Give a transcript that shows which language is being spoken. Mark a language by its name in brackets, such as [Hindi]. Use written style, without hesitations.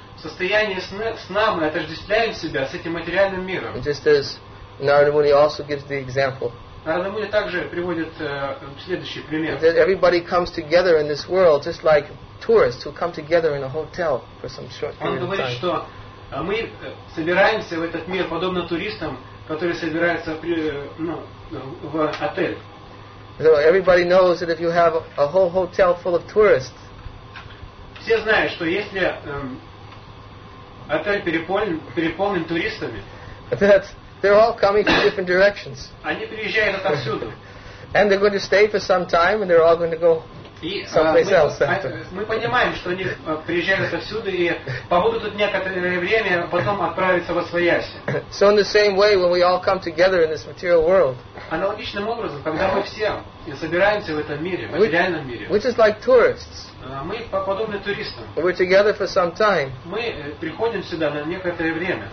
[Russian] В состоянии сна мы отождествляем себя с этим материальным миром. [English] Just as Narada Muni also gives the example. [Russian] Narada Muni также приводит следующий пример. [English] That everybody comes together in this world, just like tourists who come together in a hotel for some short period of time. [Russian] Он говорит, что мы собираемся в этот мир подобно туристам, которые собираются в отель. [English] So everybody knows that if you have a whole hotel full of tourists. [Russian] Все знают, что если отель переполнен туристами. [English] That they're all coming from different directions. [Russian] Они приезжают отовсюду. [English] And they're going to stay for some time, and they're all going to go someplace else after. [Russian] Мы понимаем, что они приезжают отовсюду и побудут тут некоторое время, потом отправятся во свояси. [English] So in the same way, when we all come together in this material world. [Russian] Аналогичным образом, когда мы все собираемся в этом мире, в материальном мире. [English] We're just like tourists. [Russian] Мы подобны туристам. [English] We're together for some time. [Russian] Мы приходим сюда на некоторое время.